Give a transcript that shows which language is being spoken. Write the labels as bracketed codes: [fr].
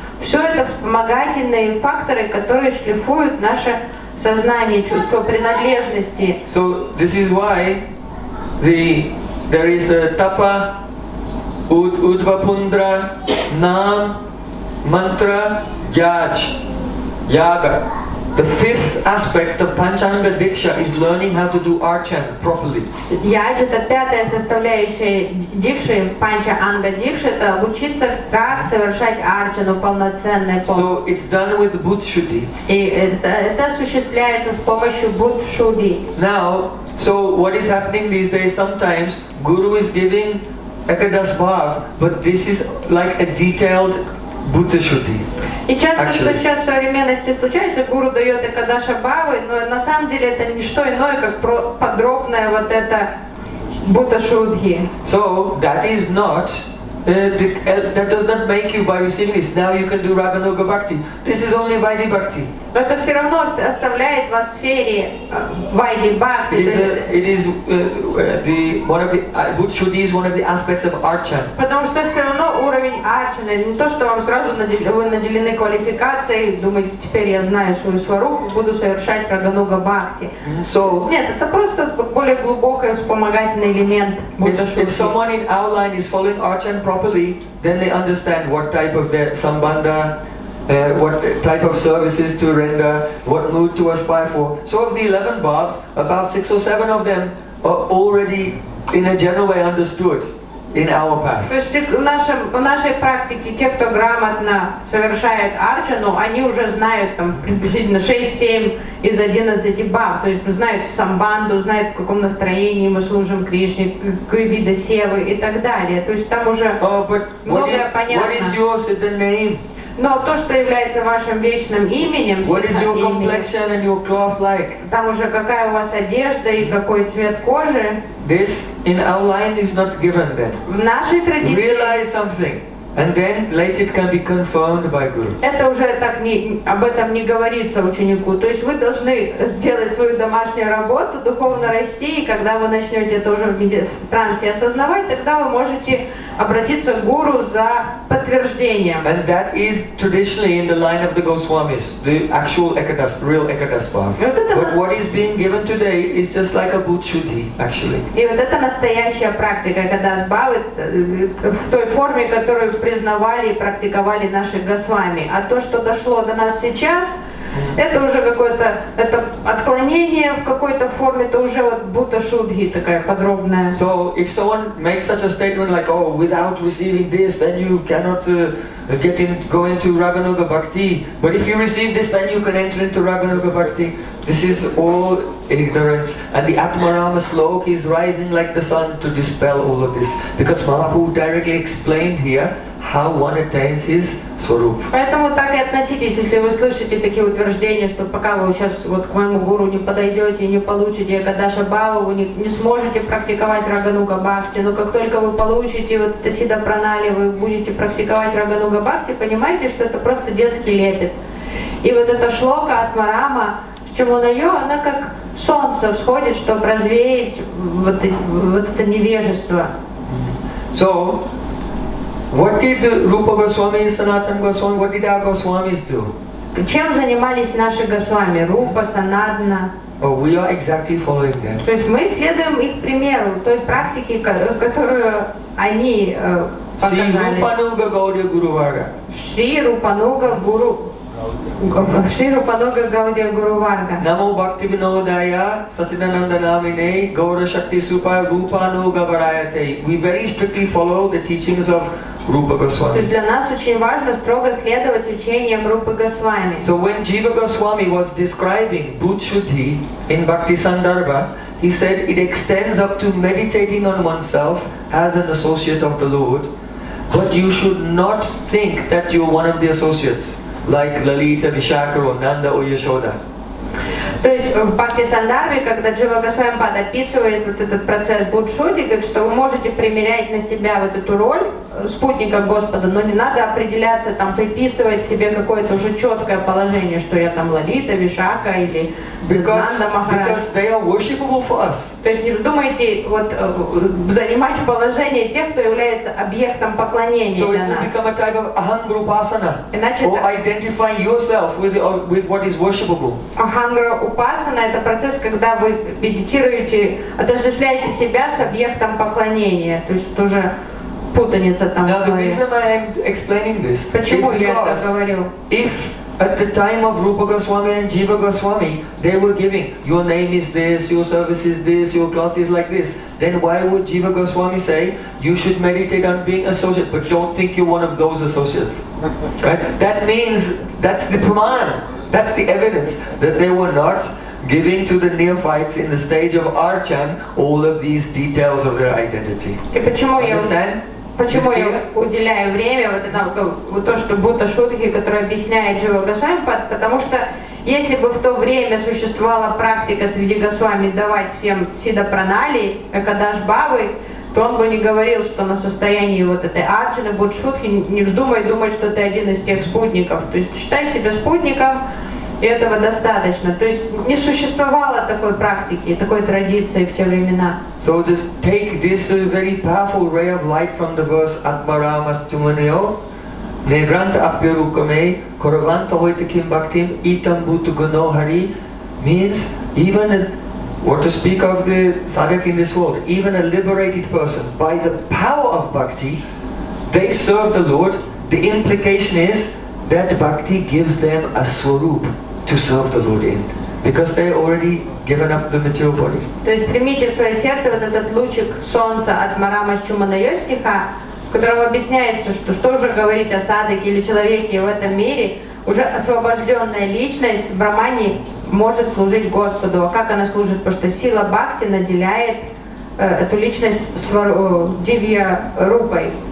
[ru] Все это вспомогательные факторы, которые шлифуют наше сознание, чувство принадлежности. [en] So this is why there is the tapa, udvapundra, nam, mantra, yaj, yaga, The fifth aspect of Panchanga Diksha is learning how to do archan properly. [ru] Ядж — это пятая составляющая дикши, Панчанга Дикши — это учиться, как совершать арчану полноценно. [en] So it's done with Будшуди. [ru] И это осуществляется с помощью Будшуди. [en] Now, so what is happening these days, sometimes Guru is giving Ekadas Bhav, but this is like a detailed Будда-шуди. [ru] И часто, что сейчас в современности случается, гуру дает Экадаша Бхавы, но на самом деле это не что иное, как подробное вот это Будда-шудхи. [en] So that is not that does not make you by receiving this. Now you can do Рагануга Бхакти. This is only Вайди Бхакти. [ru] Но это все равно оставляет вас в сфере Вайди Бхакти. [en] It is the one of the Будда-шудхи is one of the aspects of Арчан. [ru] Потому что все равно уровень Арчана, не то что вам сразу вы наделены квалификацией, думаете, теперь я знаю свою сварупу, буду совершать Рагануга Бхакти. [en] So, [ru] нет, это просто более глубокий вспомогательный элемент Будда-шудхи. [en] If someone in our line is following Арчан properly, then they understand what type of their sambandha, what type of services to render, what mood to aspire for. So of the 11 bhavs, about 6 or 7 of them are already in a general way understood in our path. [ru] То есть в нашей практике те, кто грамотно совершает арчану, они уже знают там приблизительно 6-7 из 11 бхав. То есть знают самбанду, знают, в каком настроении мы служим Кришне, какие виды севы и так далее. То есть там уже многое понятно. [en] What is yours is the name. [ru] Но то, что является вашим вечным именем, [en] what is your complexion and your cloth like? [ru] Там уже какая у вас одежда и какой цвет кожи. [en] This in our line is not given that. [ru] В нашей традиции. [en] Realize something, and then later it can be confirmed by Guru. [ru] Это уже так не, об этом не говорится ученику. То есть вы должны делать свою домашнюю работу, духовно расти, и когда вы начнете это уже в трансе осознавать, тогда вы можете обратиться к Гуру за подтверждением. [en] And that is traditionally in the line of the Goswamis, the actual Ekadas, real Ekadas Bhav. But what is being given today is just like a Будда-шудхи, actually. [ru] И вот это настоящая практика Экадас Бхавы в той форме, которую признавали и практиковали наши госвами. А то, что дошло до нас сейчас, это уже какое-то это отклонение в какой-то форме, это уже вот Будда-шудхи такая подробная. [en] So if someone makes such a statement like, oh, without receiving this, then you cannot get in, go into Рагануга Бхакти. But if you receive this, then you can enter into Рагануга Бхакти. This is all ignorance. And the Atmarama Slok is rising like the sun to dispel all of this. Because Mahaprabhu directly explained here how one attains his Swarup. [ru] Поэтому так и относитесь, если вы слышите такие утверждения, что пока вы сейчас вот к моему гуру не подойдете и не получите Экадаша Бхаву, вы не сможете практиковать Рагануга Бхакти. Но как только вы получите вот Тасида Пранали, вы будете практиковать Рагануга Бхакти, понимаете, что это просто детский лепет. И вот эта шлока Атмарама, чему на ее, она как солнце всходит, чтобы развеять вот это невежество. [en] So, what did Rupa Goswami, Sanatan Goswami, what did our Goswamis do? [ru] Чем занимались наши Госвами? Рупа, Санадна. [en] Oh, we are exactly following them. [ru] То есть мы следуем их примеру, той практике, которую они показали. [sa] Шри Рупануга Гаудия Гуру Варга. Шри Рупануга Гуру Шриру Панога Гаудия Гуру Варга. Намо Бхакти Винодая Сатинананда Намине Гаура Шакти Супая Рупануга Варайате. [en] We very strictly follow the teachings of Rupa Goswami. [ru] То есть для нас очень важно строго следовать учениям Рупы Госвами. [en] So when Jiva Goswami was describing Будда-шудхи in Bhakti Sandarbha, he said it extends up to meditating on oneself as an associate of the Lord, but you should not think that you are one of the associates. Like Lalita, Vishakha, or Nanda, or Yashoda. [ru] То есть в Бхакти Сандарве, когда Джива Госвами Пад описывает вот этот процесс Будда-шудхи, говорит, что вы можете примерять на себя вот эту роль спутника Господа, но не надо определяться, там, приписывать себе какое-то уже четкое положение, что я там Лалита, Вишака или Нанда Махарадж. [en] Because they are worshipable for us. [ru] То есть не вздумайте вот занимать положение тех, кто является объектом поклонения [en] so [ru] для нас. [en] So it will become a type of ahangrupasana, or identifying yourself with what is worshipable. [ru] Ахангра Упасана — это процесс, когда вы медитируете, отождествляете себя с объектом поклонения. То есть тоже путаница там. [en] Now, the reason I am explaining this [ru] почему [en] is because [ru] я это говорил? [en] If At the time of Rupa Goswami and Jiva Goswami, they were giving, your name is this, your service is this, your cloth is like this. Then why would Jiva Goswami say, you should meditate on being associate, but don't think you're one of those associates. Right? That means, that's the praman, that's the evidence that they were not giving to the neophytes in the stage of Archan all of these details of their identity. Understand? [ru] Почему я уделяю время вот это вот то, что Будда Шудхи, который объясняет Джива Госвами, потому что если бы в то время существовала практика среди Госвами давать всем Сида Пранали, Экадаш Бавы, то он бы не говорил, что на состоянии вот этой Арджуны Будда Шудхи не вздумай думать, что ты один из тех спутников. То есть считай себя спутником, и этого достаточно. То есть не существовало такой практики, такой традиции в те времена. [en] So just take this very powerful ray of light from the verse Atmaramas Tumaneo. [sa] Negrant Apyarukame, Koravanta Hoitakim Bhaktim, Itam Bhutu Guno Hari [en] means even what to speak of the sadhak in this world, even a liberated person by the power of bhakti, they serve the Lord. The implication is that bhakti gives them a swarup to serve the Lord in, because they already given up the material body. [ru] То есть примите в свое сердце вот этот лучик солнца от Марамас Чуманайо стиха, в котором объясняется, что что уже говорить о садаке или человеке в этом мире, уже освобожденная личность в брамане может служить Господу. А как она служит? Потому что сила бхакти наделяет эту личность дивья рупой.